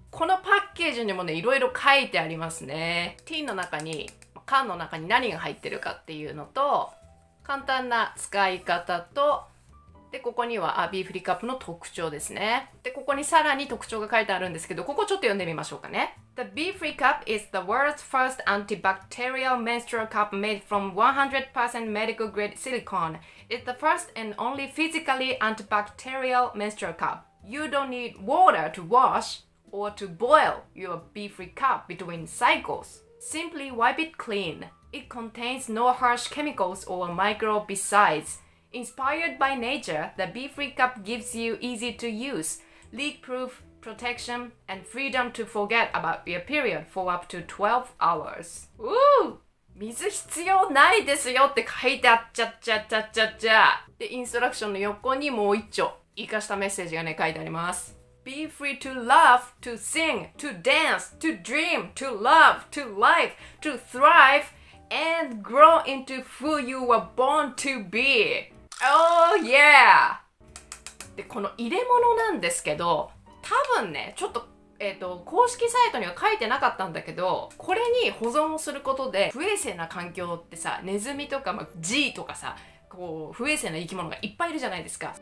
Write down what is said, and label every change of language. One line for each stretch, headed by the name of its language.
Japanese: このパッケージにもね、いろいろ書いてありますね。ティンの中に、缶の中に何が入ってるかっていうのと、簡単な使い方と、で、ここには、B フリーカップの特徴ですね。で、ここにさらに特徴が書いてあるんですけど、ここちょっと読んでみましょうかね。
English: The B Free Cup is the world's first antibacterial menstrual cup made from 100% medical grade silicone. It's the first and only physically antibacterial menstrual cup. You don't need water to wash or to boil your B Free Cup between cycles. Simply wipe it clean. It contains no harsh chemicals or microbicides. Inspired by nature, the B Free Cup gives you easy to use, leak proofProtection and freedom to forget about your period for up to 12 hours. Ooh!
Japanese: 水必要ないですよって書いてあっちゃっちゃっちゃっちゃっちゃ。で、インストラクションの横にもう一丁、活かしたメッセージがね、書いてあります。
English: Be free to laugh, to sing, to dance, to dream, to love, to life, to thrive, and grow into who you were born to be. Oh yeah!
Japanese: で、この入れ物なんですけど、多分ね、ちょっと、公式サイトには書いてなかったんだけど、これに保存をすることで、不衛生な環境ってさ、ネズミとか、まあ、G とかさ、こう、不衛生な生き物がいっぱいいるじゃないですか。